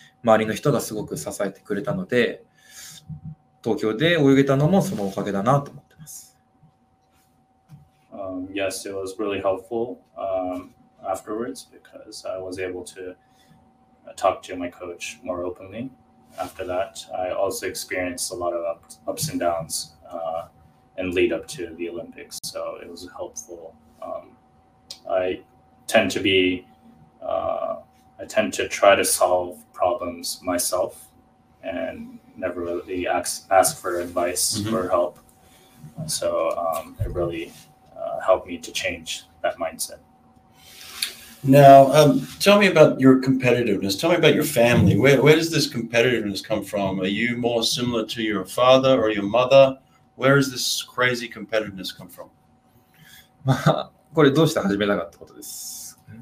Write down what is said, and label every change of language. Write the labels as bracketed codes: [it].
[ja] 周りの人がすごく支えてくれたので、東京で泳げたのもそのおかげだなと思ってます。 [en] Yes, it was really helpful afterwards because I was able to talk to my coach more openly. After that, I also experienced a lot of ups and downs and lead up to the Olympics, so it was helpful. I tend to try to solve problems myself and never really ask for advice mm-hmm. or help. So it really helped me to change that mindset. Now, tell me about your competitiveness. Tell me about your family. Where does this competitiveness come from? Are you more similar to your father or your mother? Where does this crazy competitiveness come from? [ja] これどうして始めなかったことです。